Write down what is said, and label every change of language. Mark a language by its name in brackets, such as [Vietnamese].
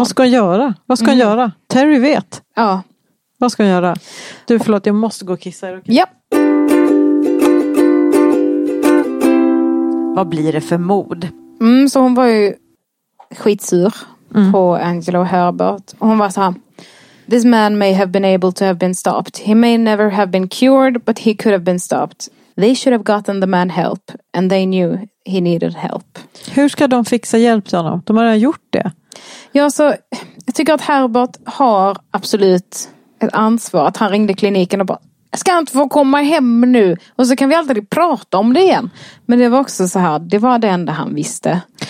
[Swedish] Vad ska hon göra? Vad ska hon göra? Terry vet. Ja. Vad ska hon göra? Du, förlåt, jag måste gå och kissa. Ja. Vad blir det för mod? Mm, så hon var ju skitsur på Angela och Herbert. Och hon var så här: [English] "This man may have been able to have been stopped. He may never have been cured, but he could have been stopped. They should have gotten the man help, and they knew he needed help." [Swedish] Hur ska de fixa hjälp till honom? De har redan gjort det. Ja, så jag tycker att Herbert har absolut ett ansvar. Att han ringde kliniken och bara, ska han inte få komma hem nu? Och så kan vi aldrig prata om det igen. Men det var också så här, det var det enda han visste.